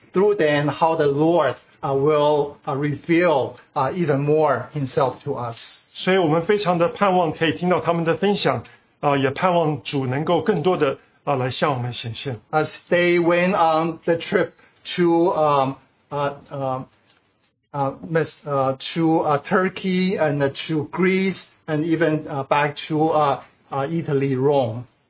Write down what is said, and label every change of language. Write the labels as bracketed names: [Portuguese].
[English] Through then, how the Lord will reveal even more Himself to us. [Chinese] 所以我们非常的盼望可以听到他们的分享，也盼望主能够更多的来向我们显现。 [English] As they went on the trip to Turkey and to Greece and even back to Italy, Rome.